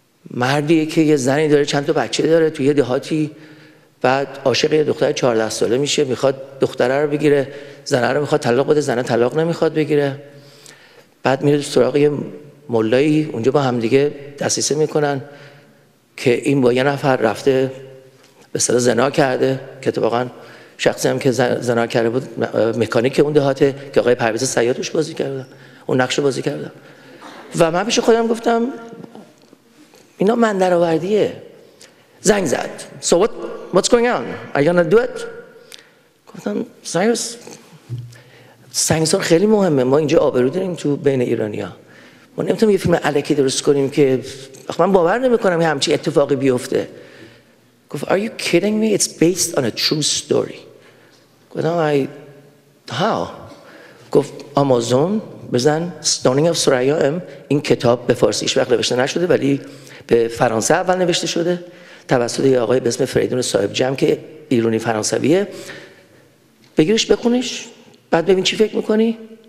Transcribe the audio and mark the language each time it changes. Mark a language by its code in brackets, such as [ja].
[fa] مردیه که یه زنی داره، چند تا بچه داره توی یه دهاتی، بعد عاشق یه دختر 14 ساله میشه، میخواد دختره رو بگیره، زنه رو میخواد طلاق بده، زنه طلاق نمیخواد بگیره، بعد میره سراغ یه مولایی، اونجا با همدیگه دسیسه میکنن که این با یه نفر رفته به سر زنا کرده، که اتفاقا شخصی هم که زنا کرده بود مکانیک اون دهاته که آقای پرویز صیادش بازی کرده، اون نقش بازی کرده. و من پیش خودم گفتم اینا من درآوردیه. زنگ زد، [en] So what's going on? Are you gonna do it? [fa] گفتم سایرس، سنگسار خیلی مهمه، ما اینجا آبرو داریم تو بین ایرانیا، ما نمیتونیم یه فیلم علکی درست کنیم که آخه من باور نمیکنم یه همچین اتفاقی بیفته. گفت [en] Are you kidding me? It's based on a true story. [fa] گفتم [en] I how؟ [fa] گفت آمازون بزن [en] Stoning of Soraya M. [fa] این کتاب به فارسی هیچ وقت نوشته نشده ولی به فرانسه اول نوشته شده توسط یه آقای به اسم فریدون صاحب جمع که ایرانی فرانسویه، بگیرش بخونش بعد ببین چی فکر میکنی.